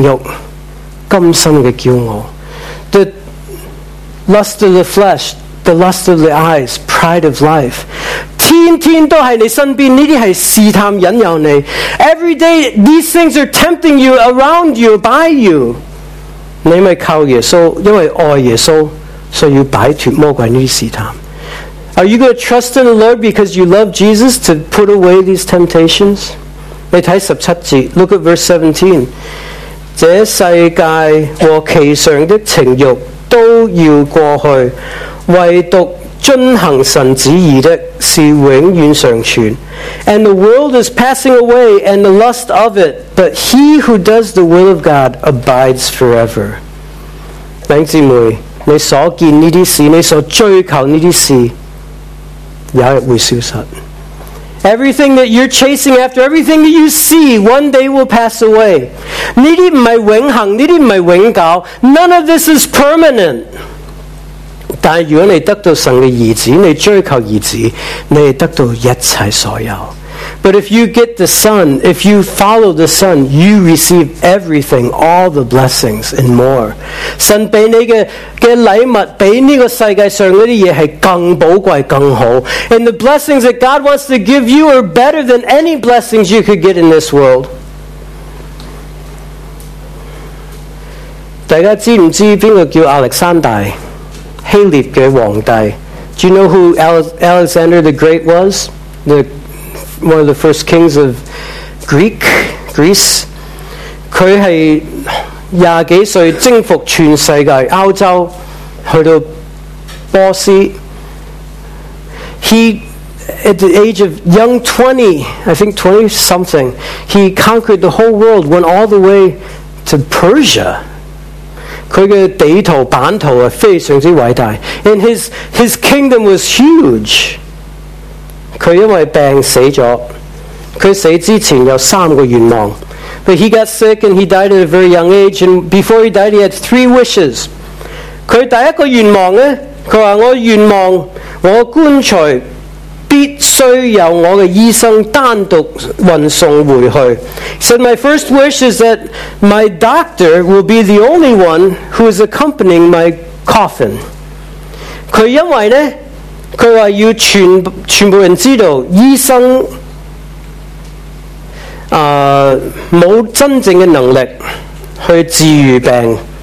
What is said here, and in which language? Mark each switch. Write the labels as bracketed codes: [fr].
[zh] 我们肉体的情欲,眼目的情欲,甘心的骄傲。 [en] Lust of the flesh, the lust of the eyes, pride of life. [zh] 天天都在你身边,这些是试探引诱你。 [en] Every day, these things are tempting you, around you, by you. [zh] 你因为靠耶稣,因为爱耶稣,所以要摆脱魔鬼这些试探。 [en] Are you going to trust in the Lord because you love Jesus to put away these temptations? [zh] 你看17节, [en] look at verse 17. [zh] 这世界和其上的情欲, 都要过去, 唯独遵行神旨意的, 是永远常存。 [en] And the world is passing away, and the lust of it, but he who does the will of God abides forever. [zh] 弟兄姊妹, 你所见这些事, 你所追求这些事, 有一天会消失。 [en] Everything that you're chasing after, everything that you see, one day will pass away. [zh] 这些不是永恒,这些不是永久, [en] none of this is permanent. [zh] 但如果你得到神的儿子,你追求儿子,你得到一切所有。 [en] But if you get the Son, if you follow the Son, you receive everything, all the blessings and more. [zh] 神给你的礼物,比这个世界上的东西是更宝贵更好。 [en] And the blessings that God wants to give you are better than any blessings you could get in this world. [zh] 大家知不知道谁叫亚历山大? 希臘的皇帝。 [en] Do you know who Alexander the Great was? One of the first kings of Greece? [zh] 他是二十多岁征服全世界，欧洲，去到波斯。 [en] He, at the age of young 20, I think 20 something, he conquered the whole world, went all the way to Persia. [zh] 他的地图版图是非常之伟大 [en] and his kingdom was huge. [zh] 他因为病死了，他死之前有三个愿望。 [en] But he got sick and he died at a very young age. And before he died, he had three wishes. [zh] 他第一个愿望呢，他说我愿望我的棺材必须由我的医生单独运送回去。 [en] He said, my first wish is that my doctor will be the only one who is accompanying my coffin. [zh] 他因为呢，他说要 全部人知道医生没有真正的能力去治愈病。